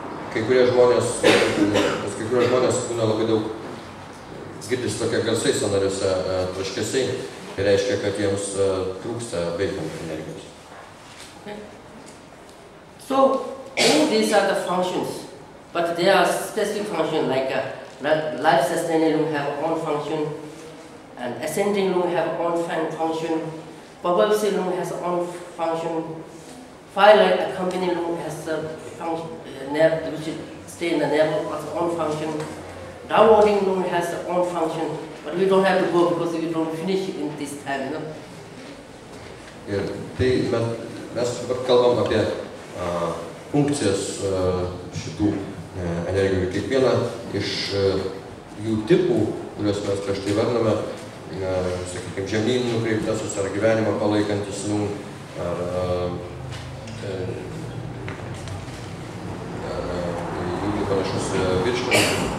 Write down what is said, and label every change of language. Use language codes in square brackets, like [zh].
[lt] Kai kurie žmonės būna labai daug girdis tokie garsai sąnariuose, traškesiai, tai reiškia, kad jiems trūksta pagan energijos. [en] Okay. So, all these are the functions, but they are specific functions, like life sustaining room have own function, and ascending room have own function, bubble room has own function, fire light company room has a function, which stay in the navel has own function, downloading room has own function, but we don't have to go because we don't finish in this time, you know? [lt] Ir tai mes kalbam apie funkcijas šitų energijų. Kiekviena iš jų tipų, kuriuos mes prieš tai vardiname, sakykime, žemynų nukreiptasis, ar gyvenimą palaikantis, ar jūlių panašus virškos.